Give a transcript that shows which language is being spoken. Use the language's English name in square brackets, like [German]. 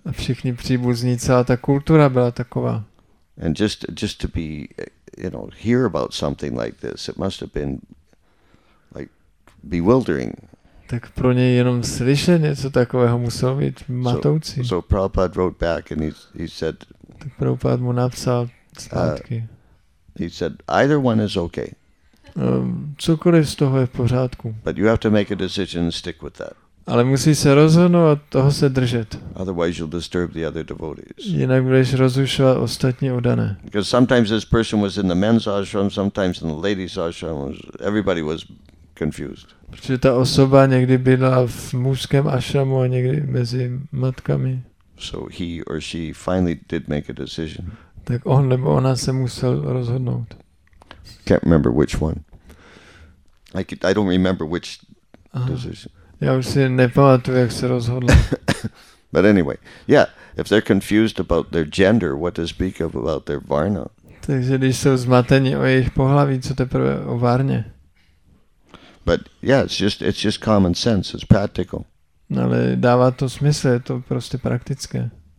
[Czech] A všichni příbuzní, celá ta kultura byla taková. [English] And just to be, you know, hear about something like this, it must have been like bewildering. [Czech] Tak pro něj jenom slyšet něco takového muselo být matoucí. [English] So Prabhupada wrote back and he said, [Czech] tak Prabhupada mu napsal zpátky. [English] He said, either one is okay. [Czech] Cokoliv z toho je v pořádku. [English] But you have to make a decision and stick with that. [Czech] Ale musíš se rozhodnout a toho se držet. [English] Otherwise you'll disturb the other devotees. [Czech] Jinak budeš rozrušovat ostatní oddané. [English] Because sometimes this person was in the men's ashram, sometimes in the ladies' ashram. Everybody was confused. [Czech] Protože ta osoba někdy byla v mužském ashramu a někdy mezi matkami. [English] So he or she finally did make a decision. [Czech] Tak on nebo ona se musel rozhodnout. [English] Can't remember which one. I don't remember which decision. [Czech] Já už si nepamatuju, jak se rozhodl. [English] But anyway, yeah, if they're confused about their gender, what to speak of about their varna? [Czech] Takže když jsou zmateni o jejich pohlaví, co teprve o varně? [English] But yeah, it's just common sense. It's practical. [Czech] No, ale dává to smysl, je to prostě praktické.